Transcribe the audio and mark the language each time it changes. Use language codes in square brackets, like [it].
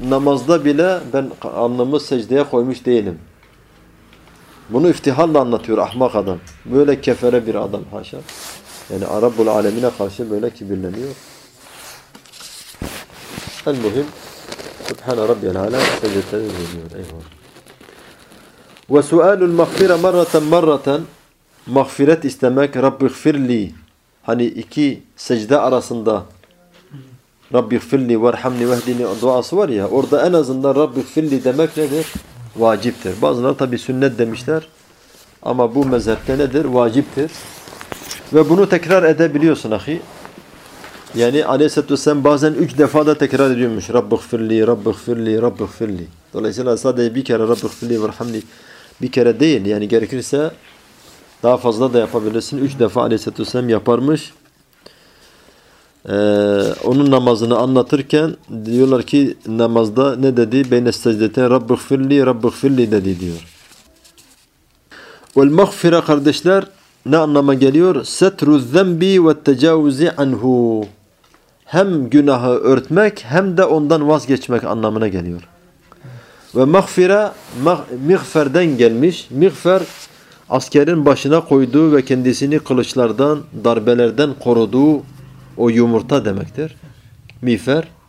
[tr] Namazda bile ben alnımı secdeye koymuş değilim. Bunu iftiharla anlatıyor ahmak adam. Böyle kefere bir adam haşa. Yani Rabbul Alemine karşı böyle kibirleniyor. En mühim. [ar] Subhane Rabbiyel Âlâ [tr] secdeye koyuyor. Eyvallah. [ar] وَسُؤَالُ الْمَغْفِرَةِ مَرَّةً مَرَّةً [tr] Mağfiret istemek, [ar] رَبِّ اغْفِرْ لِي [tr] Hani iki secde arasında [ar] رَبِّ اغْفِرْ لِي وَرْحَمْنِي وَهْدِنِي [tr] duası var ya, orada en azından [ar] رَبِّ اغْفِرْ لِي [tr] demek nedir? Vaciptir. Bazıları tabi sünnet demişler ama bu mezhepte nedir? Vaciptir. Ve bunu tekrar edebiliyorsun ahi. Yani aleyhissalatü vesselam bazen üç defa da tekrar ediyormuş. [ar] رَبِّ اغْفِرْ لِي رَبِّ اغْفِرْ لِي رَبِّ اغْفِرْ لِي. [tr] Dolayısıyla sadece bir kere [ar] رَبِّ اغْفِرْ لِي وَرْحَمْنِي [tr] bir kere değil. Yani gerekirse daha fazla da yapabilirsin. Üç defa aleyhissalatü vesselam yaparmış. Onun namazını anlatırken diyorlar ki namazda ne dedi? [ar] بَيْنَ السَّجْدَةً رَبِّ اغْفِرْ لِي رَبِّ اغْفِرْ لِي [tr] dedi diyor. وَالْمَغْفِرَ kardeşler ne anlama geliyor? [ar] سَتْرُ الذَّنْبِ وَالتَّجَاوُزِ عَنْهُ [tr] Hem günahı örtmek hem de ondan vazgeçmek anlamına geliyor. Ve mağfire, mağferden gelmiş. Mağfer, askerin başına koyduğu ve kendisini kılıçlardan, darbelerden koruduğu o yumurta demektir. Mağfer.